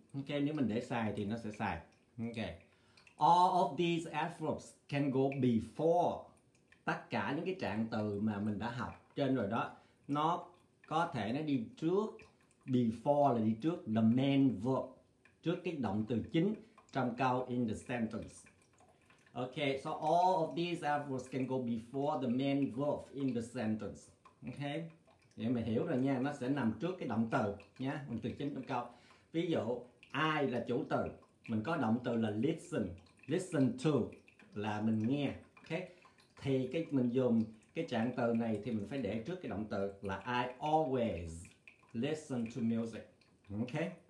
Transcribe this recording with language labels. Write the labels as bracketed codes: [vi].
[vi] Ok, nếu mình để sai thì nó sẽ sai. Ok. [en] All of these adverbs can go before. [vi] Tất cả những cái trạng từ mà mình đã học trên rồi đó, nó có thể nó đi trước. Before là đi trước the main verb, trước cái động từ chính trong câu, in the sentence. [en] Ok, so all of these adverbs can go before the main verb in the sentence. [vi] Ok, để mình hiểu rồi nha, nó sẽ nằm trước cái động từ nha, động từ chính trong câu. Ví dụ I là chủ từ, mình có động từ là listen. Listen to là mình nghe. Okay. Thì cái mình dùng cái trạng từ này thì mình phải để trước cái động từ là [en] I always listen to music. [vi] Okay.